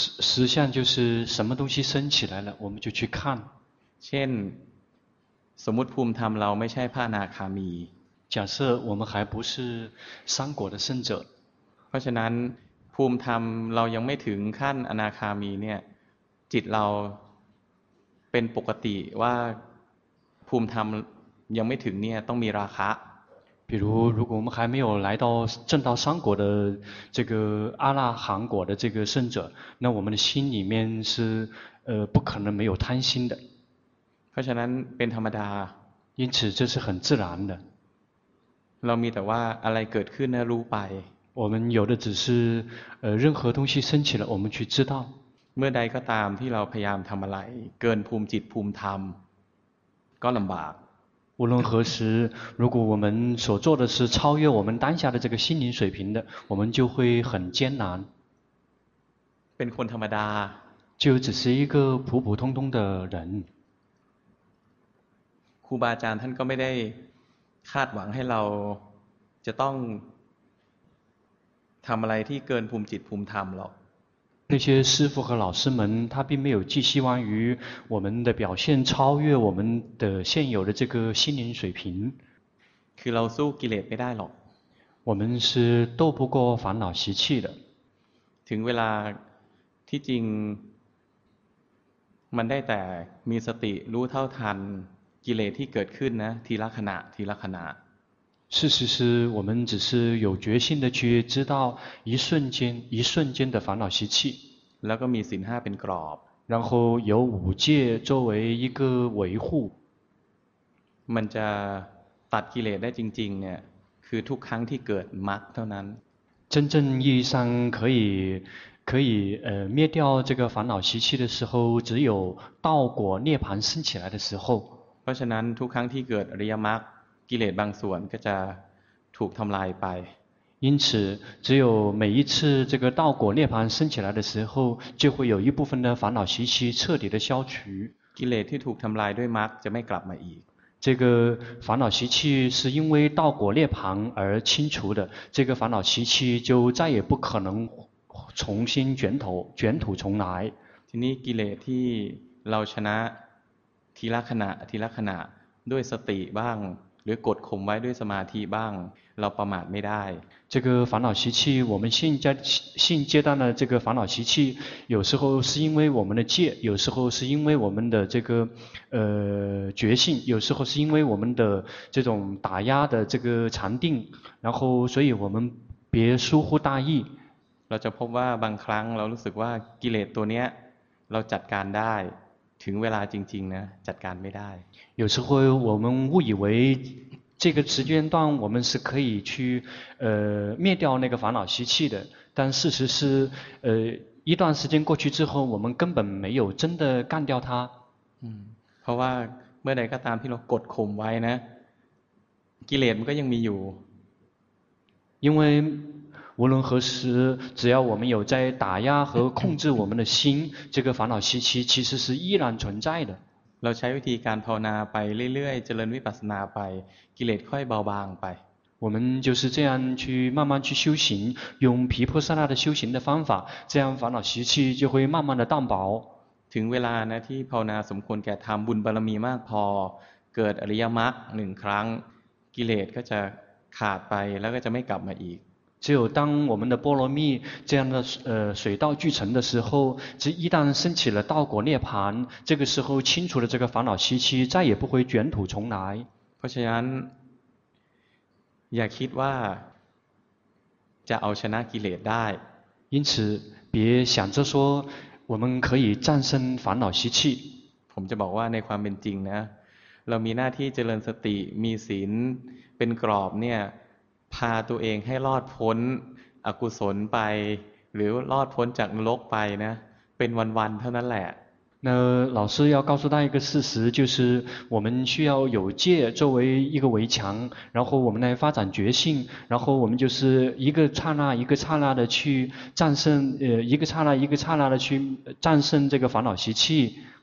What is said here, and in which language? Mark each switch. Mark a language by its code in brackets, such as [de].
[zh] 实相就是什么东西升起来了我们就去看 [th] เช่นสมมติภูมิธรรมเราไม่ใช่พระอนาคามี [zh] 假设我们还不是三果的圣者 [th] เพราะฉะนั้นภูมิธรรมเรายังไม่ถึงขั้นอนาคามีเนี่ย จิตเราเป็นปกติว่าภูมิธรรมยังไม่ถึงเนี่ยต้องมีราคะ [zh] 比如如果我们还没有来到正道三果的这个阿拉含果的这个圣者那我们的心里面是不可能没有贪心的 [th] เพราะฉะนั้นเป็นธรรมดา [zh] 因此这是很自然的 [th] เรามีแต่ว่าอะไรเกิดขึ้นนะรู้ไป [zh] 我们有的只是任何东西升起了我们去知道 [th] เมื่อใดก็ตามที่เราพยายามทำอะไรเกินภูมิจิตภูมิธรรมก็ลำบาก [zh] 无论何时如果我们所做的是超越我们当下的这个心灵水平的我们就会很艰难 [th] เป็นคนธรรมดา [zh] 就只是一个普普通通的人 [th] ครูบาอาจารย์ท่านก็ไม่ได้คาดหวังให้เราจะต้องทำอะไรที่เกินภูมิจิตภูมิธรรมหรอก [zh] 那些师父和老师们他并没有寄希望于我们的表现超越我们的现有的这个心灵水平 [th] คือเราสู้กิเลสไม่ได้หรอก [zh] 我们是斗不过烦恼习气的 [th] ถึงเวลาที่จริงมันได้แต่มีสติรู้เท่าทันกิเลสที่เกิดขึ้นนะทีละขณะทีละขณะ [zh] 事实是我们只是有决心的去知道一瞬间一瞬间的烦恼习气 [th] แล้วก็มีศีล5เป็นกรอบ [zh] 然后有五戒作为一个维护 [th] มันจะตัดกิเลสได้จริงๆเนี่ยคือทุกครั้งที่เกิดมรรคเท่านั้น [zh] 真正意义上可以灭掉这个烦恼习气的时候只有道果涅槃升起来的时候 [th] เพราะฉะนั้นทุกครั้งที่เกิดอริยมรรคกิเลสบางส่วนก็จะถูกทำลายไป [zh] 因此只有每一次这个道果涅槃升起来的时候就会有一部分的烦恼习气彻底的消除 [th] กิเลสที่ถูกทำลายด้วยมรรคจะไม่กลับมาอีก [zh] 这个烦恼习气是因为道果涅槃而清除的这个烦恼习气就再也不可能重新卷土重来 [th] ทีนี้กิเลสที่เราชนะทีละขณะทีละขณะด้วยสติบ้างหรือกดข่มไว้ด้วยสมาธิบ้างเราประมาทไม่ได้ [zh] 这个烦恼习气我们现阶段的这个烦恼习气有时候是因为我们的戒有时候是因为我们的这个觉性有时候是因为我们的这种打压的这个禅定然后所以我们别疏忽大意 [th] เราจะพบว่าบางครั้งเรารู้สึกว่ากิเลสตัวเนี้ยเราจัดการได้ถึงเวลาจริงๆนะจัดการไม่ได้ [zh] 有时候我们误以为这个时间段我们是可以去灭掉那个烦恼习气的但事实是一段时间过去之后我们根本没有真的干掉它 [th] เพราะว่าเมื่อใดก็ตามที่เรากดข่มไว้นะกิเลสมันก็ยังมีอยู่ [zh] 因为无论何时只要我们有在打压和控制我们的心这个烦恼习气其实是依然存在的 [th] เราใช้วิธีการภาวนาไปเรื่อยๆเจริญวิปัสสนาไปกิเลสค่อยเบาบางไป [zh] 我们就是这样去慢慢去修行用毗婆舍那的修行的方法这样烦恼习气就会慢慢的淡薄 [th] ถึงเวลานะที่ภาวนาสมควรแก่ธรรมบุญบารมีมากพอเกิดอริยมรรคหนึ่งครั้งกิเลสก็จะขาดไปแล้วก็จะไม่กลับมาอีก [zh] 只有当我们的波罗蜜这样的水道聚成的时候只一旦升起了道果涅槃这个时候清除了这个烦恼习气再也不会卷土重来 [th] เพราะฉะนั้นอย่าคิดว่าจะเอาชนะกิเลสได้ [zh] 因此别想着说我们可以战胜烦恼习气 [th] ผมจะบอกว่าในความเป็นจริงนะเรามีหน้าที่เจริญสติมีศีลเป็นกรอบเนี่ยพาตัวเองให้รอดพ้นอกุศลไปหรือรอดพ้นจากนรกไปนะเป็นวันๆเท่านั้นแหละ [zh] 那老师要告诉大家一个事实就是我们需要有戒作为一个围墙然后我们来发展觉性然后我们就是一个刹那一个刹那的去战胜一个刹那一个刹那的去战胜这个烦恼习气